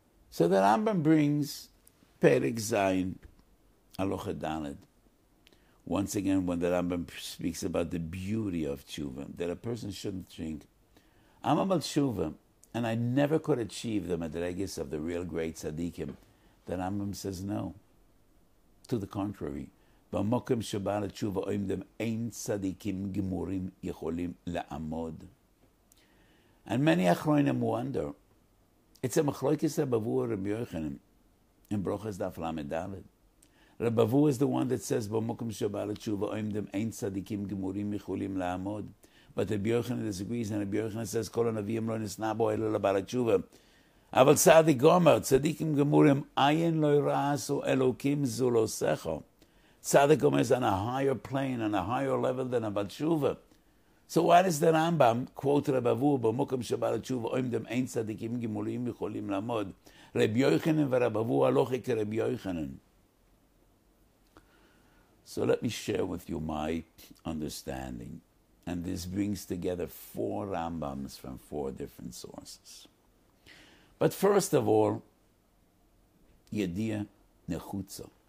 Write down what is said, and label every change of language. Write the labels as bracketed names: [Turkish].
[English] So the Rambam brings Perek Zayin, Halacha Dalet. Once again, when the Rambam speaks about the beauty of tshuva, that a person shouldn't think, I'm about tshuva, and I never could achieve the madregis of the real great tzaddikim. The Rambam says no. To the contrary, [Hebrew] במקום שבעל התשובה עומדים אין צדיקים גמורים יכולים לעמוד. [English] And many achronim wonder, it's a machlokes Rebavu or Rebbi Yochanan in Brochas Daf Lamed Daled. Rebavu is the one that says, [Hebrew] במקום שבעל התשובה עומדים אין צדיקים גמורים יכולים לעמוד. [English] But Rebbi Yochanan disagrees, and Rebbi Yochanan says, [Hebrew] כל הנביאים לא נשנא בו אלא לבעל התשובה. אבל צדיק גומר, צדיקים גמורים, עין לא יראסו אלוקים זולו סכו. צדיק גומר [English] is on a higher plane, on a higher level than [Hebrew] הבעל תשובה. [English] So why does the Rambam quote [Hebrew] רבבו, במוקם שבעל התשובה, עומדם אין צדיקים גמורים יכולים לעמוד. רבי יוחנן ורבבו הלוכי כרבי יוחנן. [English] So let me share with you my understanding. And this brings together four Rambams from four different sources. But first of all, Yediya Nechutza.